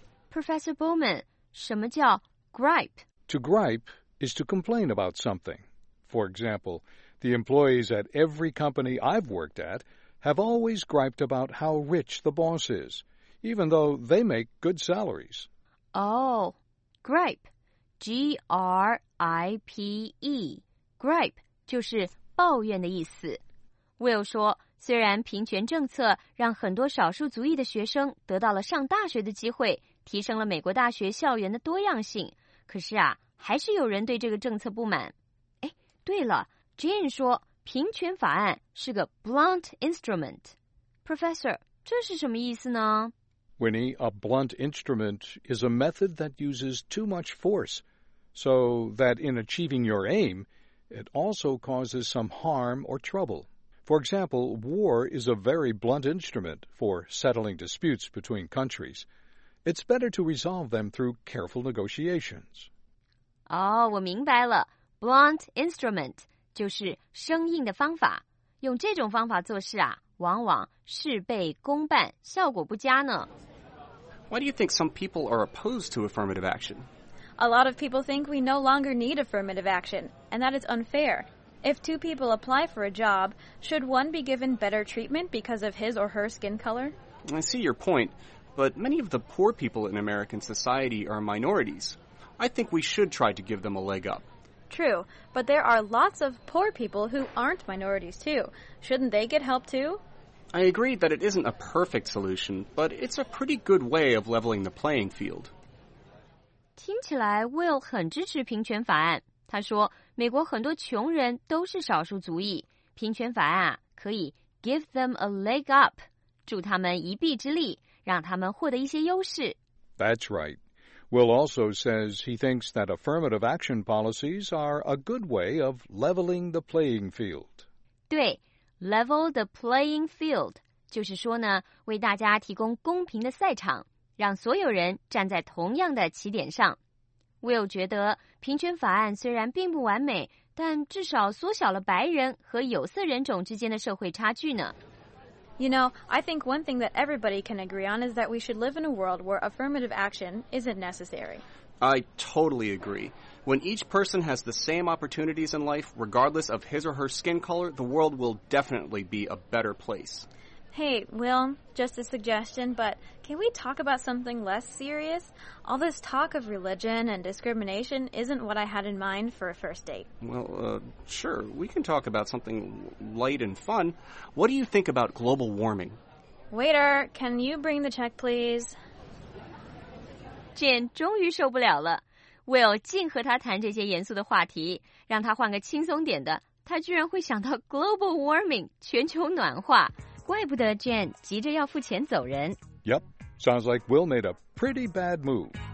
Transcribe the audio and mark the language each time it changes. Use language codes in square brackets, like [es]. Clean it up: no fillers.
[zh] Professor Bowman, 什么叫 gripe? [en] To gripe is to complain about something. For example, the employees at every company I've worked at have always griped about how rich the boss is, even though they make good salaries. Oh, gripe. [zh] G-R-I-P-E, gripe, 就是抱怨的意思。 Will 说，虽然平权政策让很多少数族裔的学生得到了上大学的机会，提升了美国大学校园的多样性，可是啊，还是有人对这个政策不满。哎，对了 ,Jane 说，平权法案是个 blunt instrument。 Professor, 这是什么意思呢？ [en] Winnie, a blunt instrument is a method that uses too much force, so that in achieving your aim, it also causes some harm or trouble. For example, war is a very blunt instrument for settling disputes between countries. It's better to resolve them through careful negotiations. [zh] Oh, 我明白了。 Blunt instrument 就是生硬的方法。用这种方法做事啊，往往事倍功半，效果不佳呢。 [en] Why do you think some people are opposed to affirmative action? A lot of people think we no longer need affirmative action, and that is unfair. If two people apply for a job, should one be given better treatment because of his or her skin color? I see your point, but many of the poor people in American society are minorities. I think we should try to give them a leg up. True, but there are lots of poor people who aren't minorities too. Shouldn't they get help too? I agree that it isn't a perfect solution, but it's a pretty good way of leveling the playing field. [zh] 听起来 Will 很支持平权法案。他说，美国很多穷人都是少数族裔，平权法案可以 [en] give them a leg up, [zh] 助他们一臂之力，让他们获得一些优势。 [en] That's right. Will also says he thinks that affirmative action policies are a good way of leveling the playing field. [zh] 对。 [en] Level the playing field, [zh] 就是说呢，为大家提供公平的赛场，让所有人站在同样的起点上。 Will 觉得平权法案虽然并不完美，但至少缩小了白人和有色人种之间的社会差距呢。 [en] You know, I think one thing that everybody can agree on is that we should live in a world where affirmative action isn't necessary. I totally agree. When each person has the same opportunities in life, regardless of his or her skin color, the world will definitely be a better place. Hey, Will, just a suggestion, but can we talk about something less serious? All this talk of religion and discrimination isn't what I had in mind for a first date. Well, sure, we can talk about something light and fun. What do you think about global warming? Waiter, can you bring the check, please? [zh] Jen 终于受不了了。 Will 竟和他谈这些严肃的话题，让他换个轻松点的，他居然会想到 global warming, 全球暖化。怪不得 Jen 急着要付钱走人。 [en] Yep, sounds like Will made a pretty bad move.